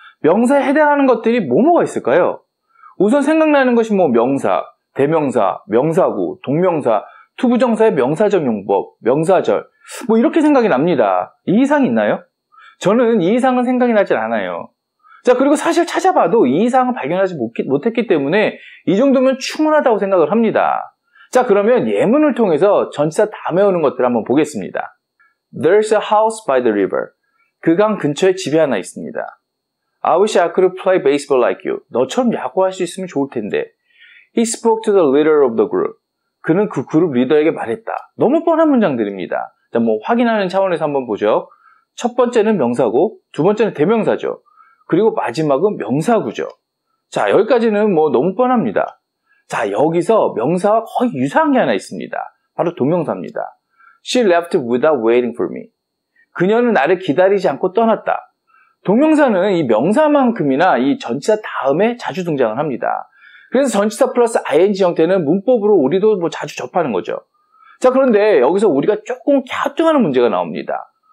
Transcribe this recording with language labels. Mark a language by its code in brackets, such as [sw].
[ko] 명사에 해당하는 것들이 뭐뭐가 있을까요? 우선 생각나는 것이 뭐 명사, 대명사, 명사구, 동명사, 투부정사의 명사적 용법, 명사절 뭐 이렇게 생각이 납니다. 이 이상이 있나요? 저는 이 이상은 생각이 나질 않아요. 자, 그리고 사실 찾아봐도 이 이상은 발견하지 못했기 때문에 이 정도면 충분하다고 생각을 합니다. 자, 그러면 예문을 통해서 전치사 다음에 오는 것들을 한번 보겠습니다. [en] There's a house by the river. [ko] 그 강 근처에 집이 하나 있습니다. [en] I wish I could play baseball like you. [ko] 너처럼 야구할 수 있으면 좋을 텐데. [en] He spoke to the leader of the group. [ko] 그는 그 그룹 리더에게 말했다. 너무 뻔한 문장들입니다. 자, 뭐 확인하는 차원에서 한번 보죠. 첫 번째는 명사고, 두 번째는 대명사죠. 그리고 마지막은 명사구죠. 자, 여기까지는 뭐 너무 뻔합니다. 자, 여기서 명사와 거의 유사한 게 하나 있습니다. 바로 동명사입니다. [en] She left without waiting for me. [ko] 그녀는 나를 기다리지 않고 떠났다. 동명사는 이 명사만큼이나 이 전치사 다음에 자주 등장을 합니다. 그래서 전치사 플러스 ing 형태는 문법으로 우리도 뭐 자주 접하는 거죠. 자, 그런데 여기서 우리가 조금 갸우뚱하는 문제가 나옵니다.